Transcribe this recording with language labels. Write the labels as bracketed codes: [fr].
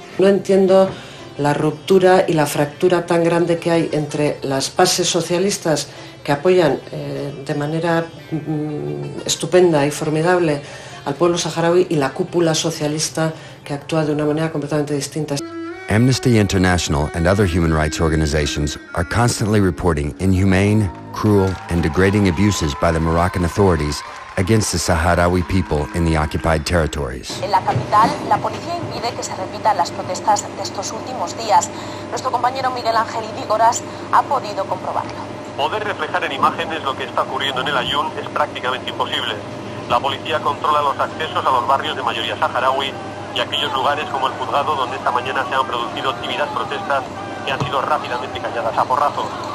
[es] No entiendo la ruptura y la fractura tan grande que hay entre las bases socialistas que apoyan de manera estupenda y formidable al pueblo saharaui y la cúpula socialista que actúa de una manera completamente distinta. [en] Amnesty International and other human rights organizations are constantly reporting inhumane, cruel and degrading abuses by the Moroccan authorities against the Sahrawi people in the occupied territories. [es] En la capital, la policía impide que se repitan las protestas de estos últimos días. Nuestro compañero Miguel Ángel Irigoras ha podido comprobarlo. Poder reflejar en imágenes lo que está ocurriendo en el Aaiún es prácticamente imposible. La policía controla los accesos a los barrios de mayoría saharaui y aquellos lugares como el juzgado donde esta mañana se han producido tímidas protestas que han sido rápidamente calladas a porrazos.